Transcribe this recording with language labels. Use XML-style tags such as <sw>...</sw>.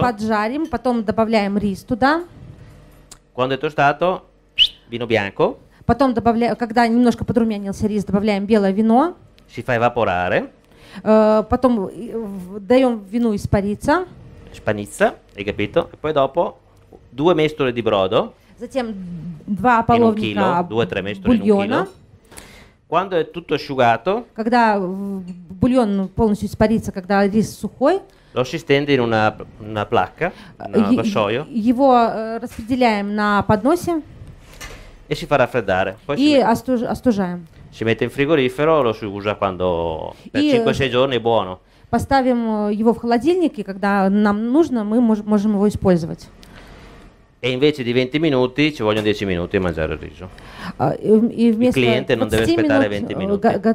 <ru>Поджарим, потом добавляем рис туда.</ru> <it>Quando è tostato, vino bianco.</it> <ru>Потом добавляем, когда немножко подрумянился рис, добавляем белое вино.</ru> <it>Si fa evaporare.</it> <ru>Потом даем вину испариться.</ru> <it>Spanizza, hai capito? E poi dopo due mestole di brodo.</it> <ru>Затем два половника бульона.</ru> <it>Quando è tutto asciugato?</it> <ru>Когда бульон полностью испарится, когда рис сухой.</ru> <it>Lo si stende in una placca, un vassoio.</it> <ru>Его распределяем на подносе.</ru> <it>E si fa raffreddare.</it> <ru>Poi остужаем.</ru> <it>Si mette in frigorifero, lo si usa quando per 5-6 giorni è buono.</it> <ru>Поставим его в холодильник, и когда нам нужно, мы можем его использовать.</ru> <it>E invece di 20 minuti ci vogliono 10 minuti a mangiare il riso. Il cliente non deve aspettare 20 minuti.</it>